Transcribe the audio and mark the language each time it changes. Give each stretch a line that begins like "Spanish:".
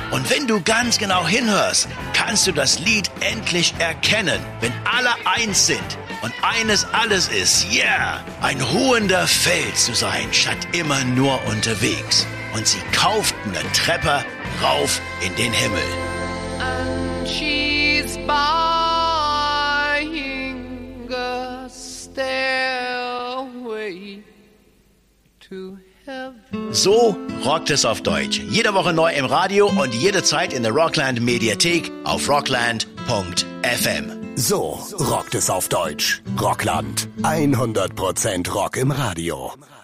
German: Und wenn du ganz genau hinhörst, kannst du das Lied endlich erkennen, wenn alle eins sind und eines alles ist, yeah, ein ruhender Fels zu sein, statt immer nur unterwegs. Und sie kauften eine Treppe rauf in den Himmel.
English: And she's buying a stairway to heaven.
German: So rockt es auf Deutsch. Jede Woche neu im Radio und jederzeit in der Rockland Mediathek auf rockland.fm. So rockt es auf Deutsch. Rockland. 100% Rock im Radio.